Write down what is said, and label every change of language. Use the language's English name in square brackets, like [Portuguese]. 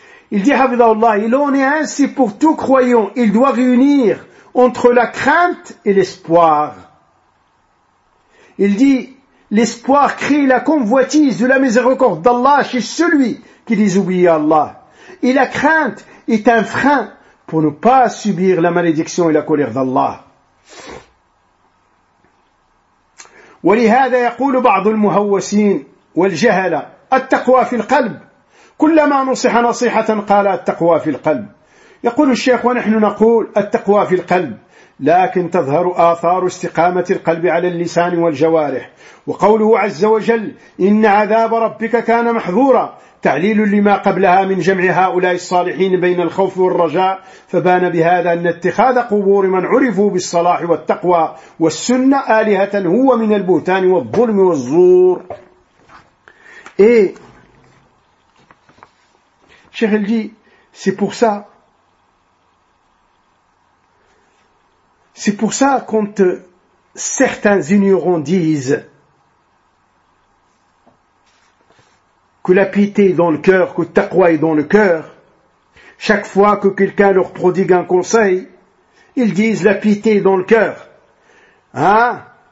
[French] Il dit, Habidallah, il en est ainsi pour tout croyant. Il doit réunir entre la crainte et l'espoir. Il dit, l'espoir crée la convoitise de la miséricorde d'Allah chez celui qui désobéit à Allah. Et la crainte est un frein pour ne pas subir la malédiction et la colère d'Allah. [Arabic] ولهذا يقول بعض المهوسين والجهلة التقوى في القلب كلما نصح نصيحة قال التقوى في القلب. يقول الشيخ ونحن نقول التقوى في القلب لكن تظهر آثار استقامة القلب على اللسان والجوارح وقوله عز وجل إن عذاب ربك كان محذورا تعليل لما قبلها من جمع هؤلاء الصالحين بين الخوف والرجاء فبان بهذا أن اتخاذ قبور من عرفوا بالصلاح والتقوى والسنة آلهة هو من البهتان والظلم والزور. شيخ الجي سيبوسا [French] C'est pour ça quand certains ignorants disent que la piété est dans le cœur, que le taqwa est dans le cœur, chaque fois que quelqu'un leur prodigue un conseil, ils disent la piété est dans le cœur. Hein?